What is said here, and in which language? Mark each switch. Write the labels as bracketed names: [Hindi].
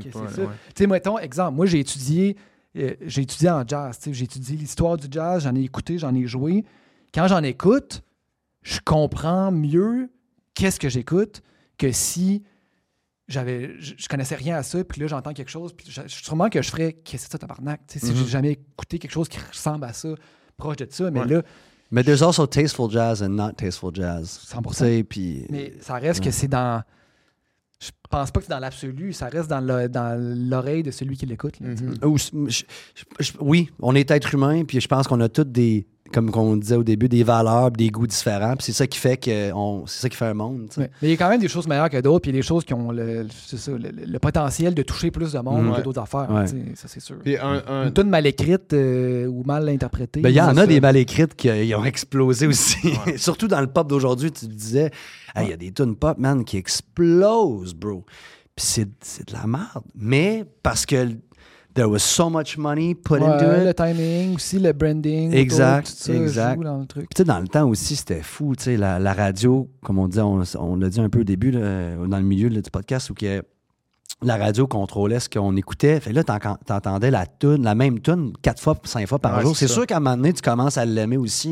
[French] Tu sais, mettons, exemple, moi j'ai étudié en jazz, t'sais, j'ai étudié l'histoire du jazz, j'en ai écouté, j'en ai joué. Quand j'en écoute, je comprends mieux qu'est-ce que j'écoute que si je connaissais rien à ça, puis là j'entends quelque chose, puis sûrement que je ferais qu'est-ce que ça, tabarnak, t'sais, si j'ai jamais écouté quelque chose qui ressemble à ça, proche de ça, mais là. [English] Mais there's also tasteful jazz and not tasteful jazz. [French] 100%. T'sais, puis... Mais ça reste que c'est dans. Je pense pas que c'est dans l'absolu, ça reste dans l'oreille de celui qui l'écoute. Là, oui, on est être humain, puis je pense qu'on a toutes des, comme on disait au début, des valeurs, des goûts différents, puis c'est ça qui fait que c'est ça qui fait un monde. Ouais. Mais il y a quand même des choses meilleures que d'autres, puis il y a des choses qui ont le potentiel de toucher plus de monde que d'autres affaires, ça c'est sûr. Puis une toune mal écrite ou mal interprétée. Ben, il y en a des mal écrites qui ont explosé aussi. Ouais. Surtout dans le pop d'aujourd'hui, tu te disais, il y a des tounes pop, man, qui explosent, bro. Puis c'est de la merde. [English] Mais parce que there was so much money put into it. [French] Le timing aussi, le branding. Exact, tout ça, exact. Joue dans le truc. Puis tu sais, dans le temps aussi, c'était fou. Tu sais, la radio, comme on disait, on l'a dit un peu au début, là, dans le milieu là, du podcast, où que la radio contrôlait ce qu'on écoutait. Fait là, t'entendais la tune, la même tune, 4 fois, 5 fois par jour. C'est sûr qu'à un moment donné, tu commences à l'aimer aussi.